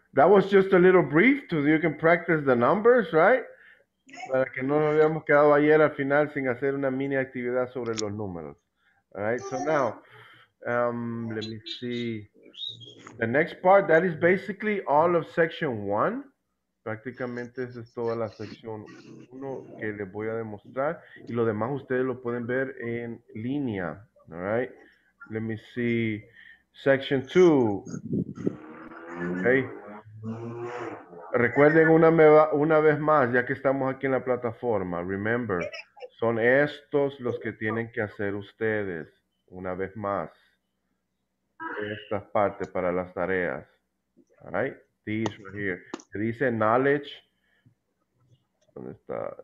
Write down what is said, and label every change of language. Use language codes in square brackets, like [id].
[en] That was just a little brief so you can practice the numbers, right? [es] Para que no nos habíamos quedado ayer al final sin hacer una mini actividad sobre los números. [en] All right, so now, let me see. The next part, that is basically all of section one. [es] Prácticamente esa es toda la sección uno que les voy a demostrar. Y lo demás ustedes lo pueden ver en línea. [en] All right, let me see. Section two. Okay. [es] Recuerden una vez más, ya que estamos aquí en la plataforma, [en] remember, [es] son estos los que tienen que hacer ustedes, una vez más, estas partes para las tareas, [en] all right, these right here, [es] se dice knowledge, ¿dónde está?